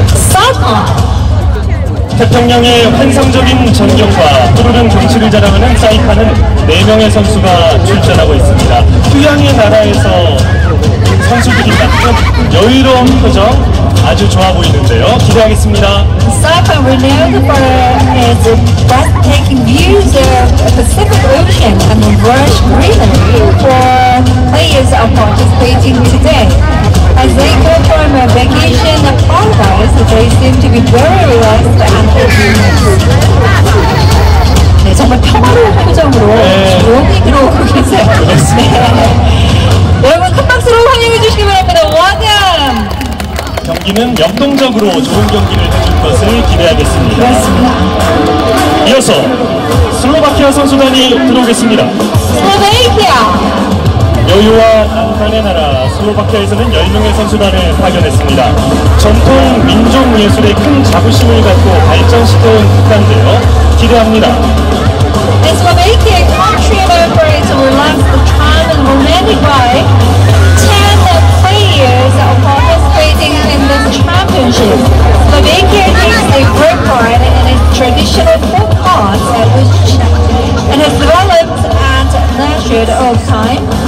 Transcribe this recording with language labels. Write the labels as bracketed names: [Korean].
[Korean] 사이판! 태평양의 환상적인 전경과 푸르른 경치를 자랑하는 사이판은 4명의 선수가 출전하고 있습니다. 휴양의 나라에서 선수들이 갖는 여유로운 표정 아주 좋아 보이는데요. 기대하겠습니다. [English] Saipan renowned for its breathtaking views of the Pacific Ocean and the lush greenery for players are participating today. As they go from a vacation of paradise, they seem to be very relaxed and happy. [Korean] 네, 정말 평화로운 표정으로 조용히 들어오고 계세요. 네. 여러분 큰 박수로 환영해 주시기 바랍니다. 와담! 경기는 역동적으로 좋은 경기를 해줄 것을 기대하겠습니다. 그렇습니다. 이어서 슬로바키아 선수단이 들어오겠습니다. 슬로바키아! 여유와 남산의 나라 슬로바키아에서는 10명의 선수단을 파견했습니다. 전통 민족 예술에 큰 자부심을 갖고 발전시켜온 국가인데요. 기대합니다. [English] And Slovakia country of operates will relax the charm and romantic vibe. Ten players are participating in this championship. Slovakia takes a great pride in its traditional folk arts which it has developed and nurtured over time.